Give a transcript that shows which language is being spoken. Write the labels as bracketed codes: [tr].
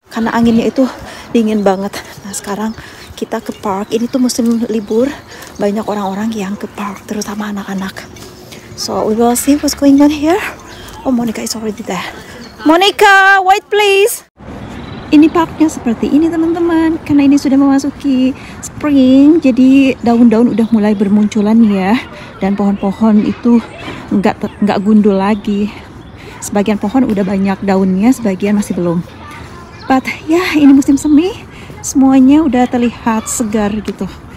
[id] Karena anginnya itu dingin banget. Nah sekarang kita ke park, ini tuh musim libur. Banyak orang-orang yang ke park, terutama anak-anak. [en] So we will see what's going on here. Oh Monica is already there. Monica, wait please. [id] Ini parknya seperti ini teman-teman, karena ini sudah memasuki spring, jadi daun-daun udah mulai bermunculan ya, dan pohon-pohon itu nggak gundul lagi. Sebagian pohon udah banyak daunnya, sebagian masih belum. [en] But yeah, [id] ini musim semi, semuanya udah terlihat segar gitu.